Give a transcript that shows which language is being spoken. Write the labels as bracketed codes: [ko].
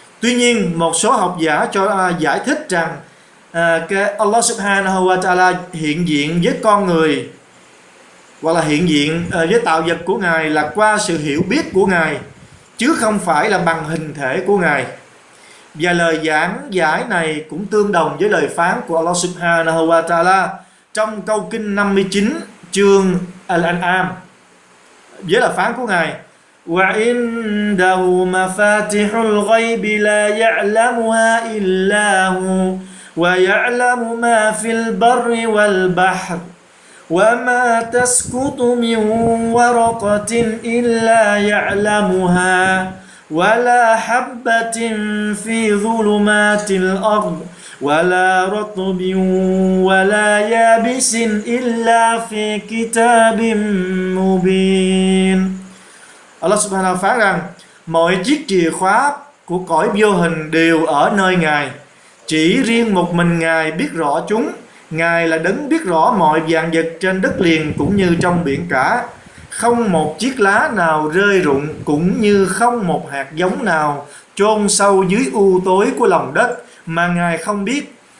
[vi] Tuy nhiên, một số học giả cho giải thích rằng cái Allah subhanahu wa ta'ala hiện diện với con người hoặc là hiện diện với tạo vật của Ngài là qua sự hiểu biết của Ngài, chứ không phải là bằng hình thể của Ngài. Và lời giảng giải này cũng tương đồng với lời phán của Allah subhanahu wa ta'ala trong câu kinh 59 chương Al-An'am, với lời phán của Ngài: [ar] وعنده مفاتح الغيب لا يعلمها إلا هو ويعلم ما في البر والبحر وما تسقط من ورقة إلا يعلمها ولا حبة في ظلمات الأرض ولا رطب ولا يابس إلا في كتاب مبين. [vi] Allah Subhanahu phán rằng mọi chiếc chìa khóa của cõi vô hình đều ở nơi Ngài, chỉ riêng một mình Ngài biết rõ chúng. Ngài là đấng biết rõ mọi vạn vật trên đất liền cũng như trong biển cả. Không một chiếc lá nào rơi rụng cũng như không một hạt giống nào chôn sâu dưới u tối của lòng đất mà Ngài không biết.